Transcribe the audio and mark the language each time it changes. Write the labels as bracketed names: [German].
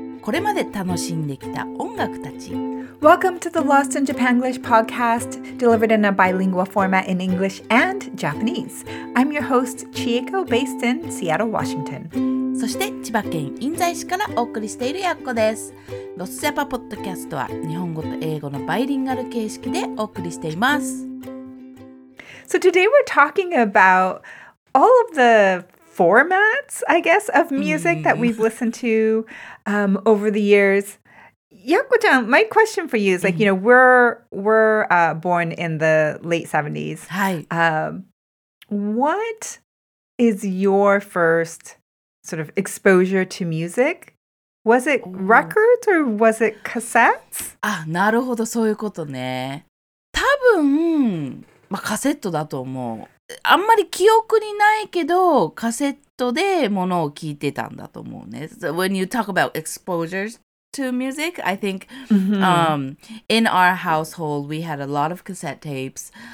[Japanese] これまで楽しんできた音楽たち [English] Welcome to the Lost in Japan English podcast delivered in a bilingual format in English and Japanese. I'm your host, Chieko, based in Seattle, Washington. [Japanese] そして千葉県印西市からお送りしているやっこです。ロスジャパポッドキャストは日本語と英語のバイリンガル形式でお送りしています。 [English] So today we're talking about all of the formats, I guess, of music that we've listened to over the years. Yakko-chan, my question for you is like, you know, we're born in the late 70s. What is your first sort of exposure to music? Was it records or was it cassettes? [Japanese] Ah, なるほど、そういうことね。多分、まあ、カセットだと思う。あんまり記憶にないけど、カセットでものを聞いてたんだと思うね。 [English] So when you talk about exposures to music, I think in our household, we had a lot of cassette tapes.